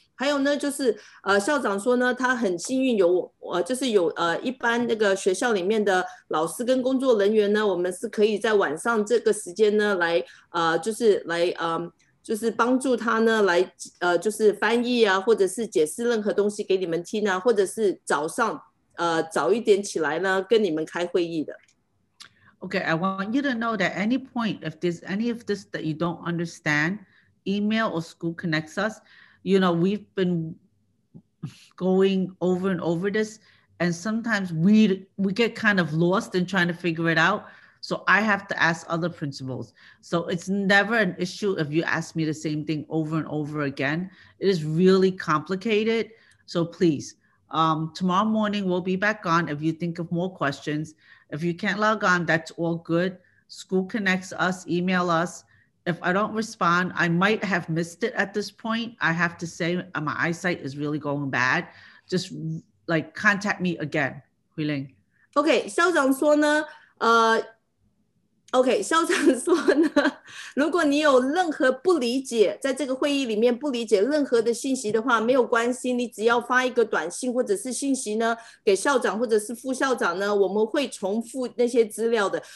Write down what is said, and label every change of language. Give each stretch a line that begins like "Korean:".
Chinese: 还有呢，就是校长说呢，他很幸运有就是有一般那个学校里面的老师跟工作人员呢，我们是可以在晚上这个时间呢来就是来就是帮助他呢来就是翻译啊，或者是解释任何东西给你们听啊，或者是早上早一点起来呢跟你们开会议的。
English: Okay, I want you to know that any point if there's any of this that you don't understand, email or school connects us. You know, we've been going over and over this, and sometimes we get kind of lost in trying to figure it out. So I have to ask other principals. So it's never an issue if you ask me the same thing over and over again. It is really complicated. So please, tomorrow morning we'll be back on if you think of more questions. If you can't log on, that's all good. School connects us, email us. If I don't respond, I might have missed it at this point. I have to say my eyesight is really going bad. Just like contact me again, Huiling.
Chinese: Okay, 校长说呢OK, 校长说呢，如果你有任何不理解，在这个会议里面不理解任何的信息的话，没有关系，你只要发一个短信或者是信息呢，给校长或者是副校长呢，我们会重复那些资料的。